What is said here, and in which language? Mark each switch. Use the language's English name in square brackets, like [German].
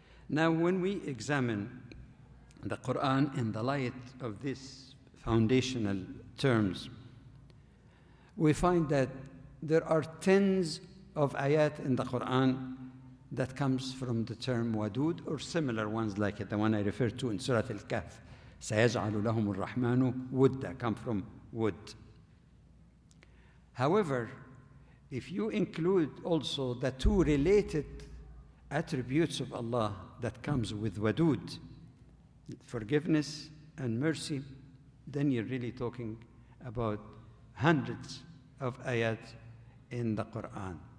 [English] Now, when we examine the Quran in the light of these foundational terms, we find that there are tens of ayat in the Quran that comes from the term wadud, or similar ones like it, the one I referred to in Surah Al-Kahf. [Arabic] سَيَجْعَلُ لَهُمُ الرَّحْمَانُ وُدَّ, [English] come from wood. However, if you include also the two related attributes of Allah that comes with wadud, forgiveness and mercy, then you're really talking about hundreds of ayat in the Quran.